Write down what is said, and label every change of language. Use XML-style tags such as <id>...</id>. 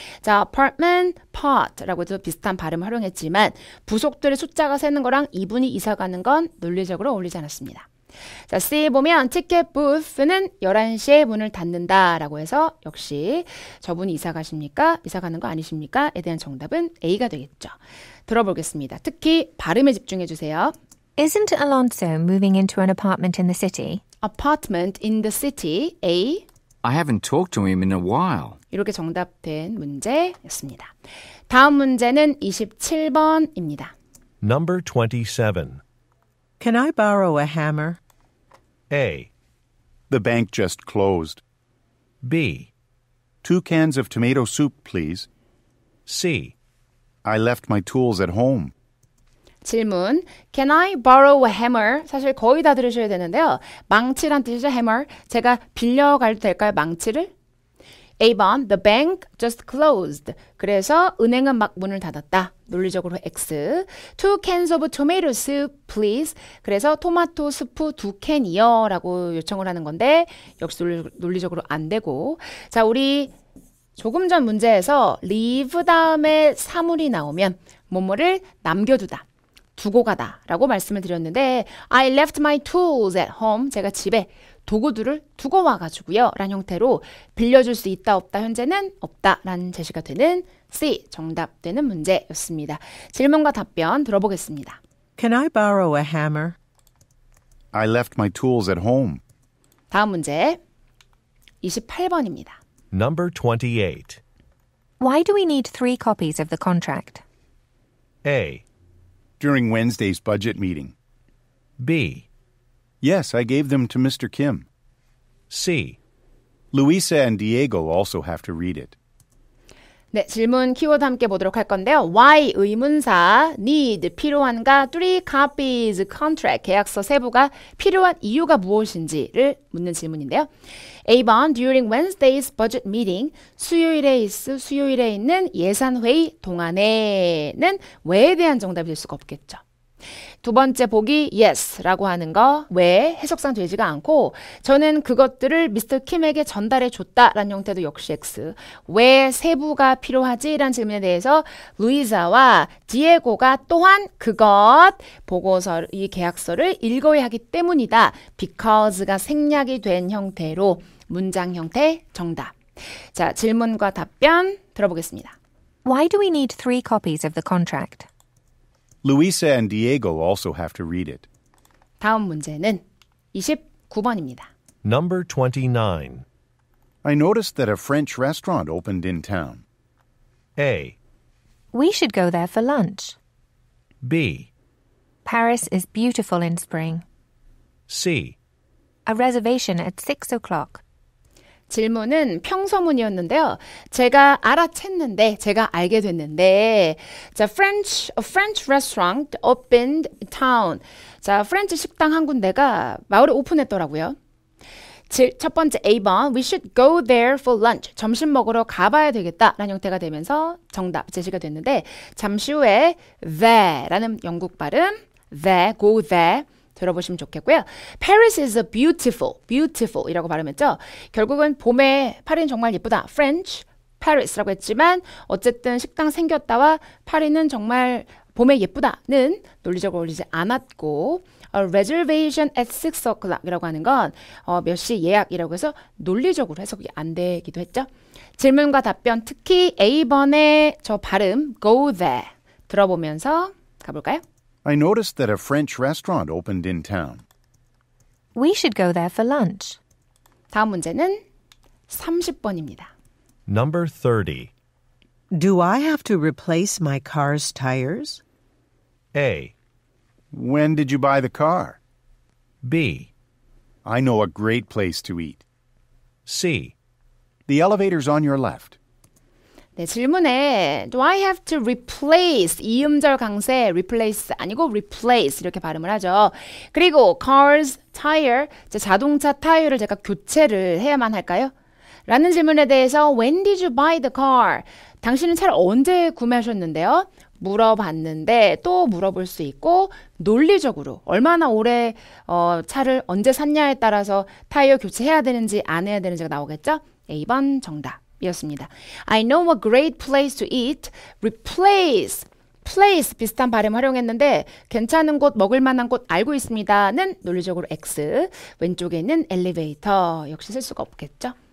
<ko>자, apartment, part라고도 비슷한 발음을 활용했지만 부속들의 숫자가 세는 거랑 이분이 이사 가는 건 논리적으로 어울리지 않았습니다. 자, C 보면 ticket booth는 11시에 문을 닫는다라고 해서 역시 저분이 이사 가십니까? 이사 가는 거 아니십니까? 에 대한 정답은 A가 되겠죠. 들어보겠습니다. 특히 발음에 집중해 주세요.</ko> <en>Isn't Alonso moving into an apartment in the city? Apartment in the city, A. I haven't talked to him in a while.</en> <ko>이렇게 정답된 문제였습니다. 다음 문제는 27번입니다.</ko> <en>Number 27. Can I borrow a hammer? A. The bank just closed. B. Two cans of tomato soup, please. C. I left my tools at home. 질문, can I borrow a hammer?</en> <ko>사실 거의 다 들으셔야 되는데요. 망치란 뜻이죠, hammer. 제가 빌려가도 될까요, 망치를?</ko> <en>A번, the bank just closed.</en> <ko>그래서 은행은 막 문을 닫았다. 논리적으로 X. Two cans of tomato soup, please. 그래서 토마토 수프 두 캔이요 라고 요청을 하는 건데 역시 논리적으로 안 되고. 자, 우리 조금 전 문제에서 leave 다음에 사물이 나오면 뭐뭐를 남겨두다. 두고 가다 라고 말씀을 드렸는데</ko> <en>I left my tools at home.</en> <ko>제가 집에 도구들을 두고 와가지고요. 라는 형태로 빌려줄 수 있다 없다 현재는 없다 라는 제시가 되는 C 정답되는 문제였습니다. 질문과 답변 들어보겠습니다.</ko> <en>Can I borrow a hammer? I left my tools at home.</en> <ko>다음 문제 28번입니다.</ko> <en>Number 28. Why do we need three copies of the contract? A. During Wednesday's budget meeting. B. Yes, I gave them to Mr. Kim. C. Luisa and Diego also have to read it.</en> <ko>네, 질문 키워드 함께 보도록 할 건데요. Why 의문사, need 필요한가,</ko> <en>three copies contract</en> <ko>계약서 세부가 필요한 이유가 무엇인지를 묻는 질문인데요. A번</ko> <en>during Wednesday's budget meeting</en> <ko>수요일에 있는 예산 회의 동안에는 왜에 대한 정답이 될 수가 없겠죠. 두 번째 보기 yes라고 하는 거 왜 해석상 되지가 않고 저는 그것들을 미스터 킴에게 전달해 줬다라는 형태도 역시 X. 왜 세부가 필요하지? 라는 질문에 대해서 루이자와 디에고가 또한 그것 보고서 이 계약서를 읽어야 하기 때문이다. Because가 생략이 된 형태로 문장 형태 정답. 자, 질문과 답변 들어보겠습니다.</ko> <en>Why do we need three copies of the contract? Luisa and Diego also have to read it.</en> <ko>다음 문제는 29번입니다.</ko> <en>Number 29. I noticed that a French restaurant opened in town. A. We should go there for lunch. B. Paris is beautiful in spring. C. A reservation at 6 o'clock.</en> <ko>질문은 평서문이었는데요. 제가 알아챘는데, 제가 알게 됐는데, 자,</ko> <en>French restaurant opened town.</en> <ko>자, French 식당 한 군데가 마을에 오픈했더라고요. 첫 번째 A번,</ko> <en>we should go there for lunch.</en> <ko>점심 먹으러 가봐야 되겠다. 라는 형태가 되면서 정답 제시가 됐는데, 잠시 후에 there라는 영국 발음, there,</ko> <en>go there.</en> <ko>들어보시면 좋겠고요.</ko> <en>Paris is a beautiful</en> <ko>이라고 발음했죠. 결국은 봄에 파리는 정말 예쁘다. French Paris 라고 했지만 어쨌든 식당 생겼다와 파리는 정말 봄에 예쁘다는 논리적으로 올리지 않았고</ko> <en>reservation at 6 o'clock</en> <ko>이라고 하는 건 몇 시 예약이라고 해서 논리적으로 해석이 안 되기도 했죠. 질문과 답변 특히 A번의 저 발음</ko> <en>go there</en> <ko>들어보면서 가볼까요?</ko> <en>I noticed that a French restaurant opened in town. We should go there for lunch.</en> <ko>다음 문제는 30번입니다.</ko> <en>Number 30. Do I have to replace my car's tires? A. When did you buy the car? B. I know a great place to eat. C. The elevator's on your left.</en> <ko>네, 질문에</ko> <en>Do I have to replace</en> <ko>이음절 강세 replace 아니고 replace 이렇게 발음을 하죠. 그리고</ko> <en>car's tire</en> <ko>제 자동차 타이어를 제가 교체를 해야만 할까요? 라는 질문에 대해서</ko> <en>When did you buy the car?</en> <ko>당신은 차를 언제 구매하셨는데요? 물어봤는데 또 물어볼 수 있고 논리적으로 얼마나 오래 차를 언제 샀냐에 따라서 타이어 교체해야 되는지 안 해야 되는지가 나오겠죠? A번 정답. 이었습니다.</ko> <en>I know a great place to eat. Replace.</en> <ko>Place 비슷한 발음 활용했는데 괜찮은 곳, 먹을 만한 곳 알고 있습니다는 논리적으로 X. 왼쪽에는 엘리베이터 역시 쓸 수가 없겠죠.</ko>